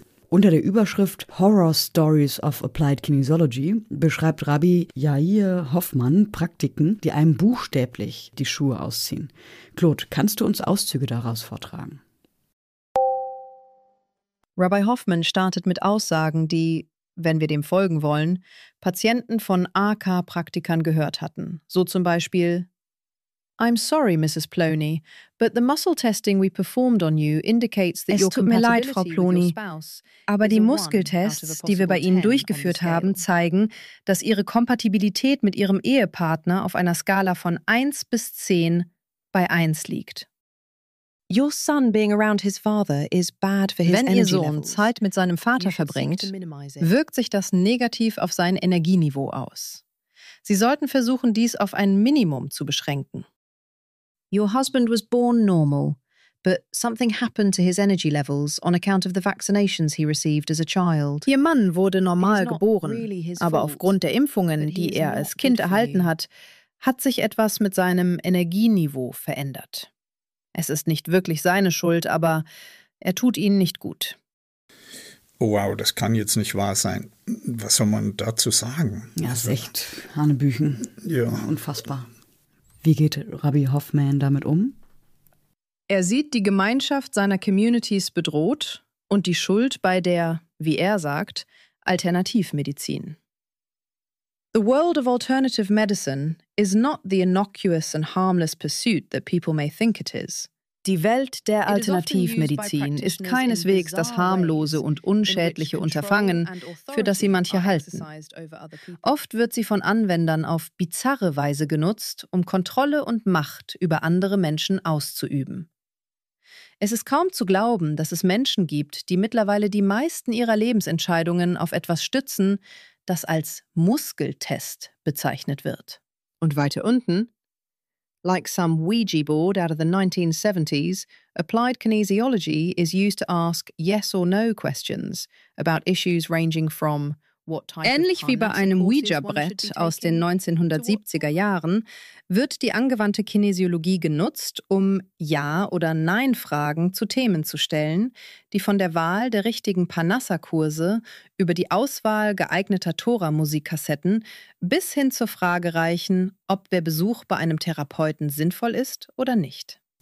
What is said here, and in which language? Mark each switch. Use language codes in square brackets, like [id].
[de] Unter der Überschrift Horror Stories of Applied Kinesiology beschreibt Rabbi Yair Hoffmann Praktiken, die einem buchstäblich die Schuhe ausziehen. Claude, kannst du uns Auszüge daraus vortragen? Rabbi Hoffmann startet mit Aussagen, die, wenn wir dem folgen wollen, Patienten von AK-Praktikern gehört hatten. So zum Beispiel: [en] I'm sorry, Mrs. Plony, but the muscle testing we performed on you indicates that you're compatible with your spouse. [de] Es tut mir leid, Frau Plony, aber die Muskeltests, die wir bei Ihnen durchgeführt haben, zeigen, dass Ihre Kompatibilität mit Ihrem Ehepartner auf einer Skala von 1 bis 10 bei 1 liegt. [en] Your son being around his father is bad for his energy levels. [de] Wenn Ihr Sohn Zeit mit seinem Vater verbringt, wirkt sich das negativ auf sein Energieniveau aus. Sie sollten versuchen, dies auf ein Minimum zu beschränken. [en] Your husband was born normal, but something happened to his energy levels on account of the vaccinations he received as a child. [de] Ihr Mann wurde normal geboren, aber aufgrund der Impfungen, die er als Kind erhalten hat, hat sich etwas mit seinem Energieniveau verändert. Es ist nicht wirklich seine Schuld, aber er tut ihnen nicht gut. Wow, das kann jetzt nicht wahr sein. Was soll man dazu sagen? Ja, ist echt hanebüchen. Ja. Unfassbar. Wie geht Rabbi Hoffmann damit um? Er sieht die Gemeinschaft seiner Communities bedroht und die Schuld bei der, wie er sagt, Alternativmedizin. [en] The world of alternative medicine is not the innocuous and harmless pursuit that people may think it is. [de] Die Welt der Alternativmedizin ist keineswegs das harmlose und unschädliche Unterfangen, für das sie manche halten. Oft wird sie von Anwendern auf bizarre Weise genutzt, um Kontrolle und Macht über andere Menschen auszuüben. Es ist kaum zu glauben, dass es Menschen gibt, die mittlerweile die meisten ihrer Lebensentscheidungen auf etwas stützen, das als Muskeltest bezeichnet wird. Und weiter unten: [en] Like some Ouija board out of the 1970s, applied kinesiology is used to ask yes or no questions about issues ranging from what type. [de] Ähnlich wie bei einem Ouija-Brett aus den 1970er Jahren wird die angewandte Kinesiologie genutzt, um Ja- oder Nein-Fragen zu Themen zu stellen, die von der Wahl der richtigen Parnassa-Kurse über die Auswahl geeigneter Tora-Musikkassetten bis hin zur Frage reichen, ob der Besuch bei einem Therapeuten sinnvoll ist oder nicht.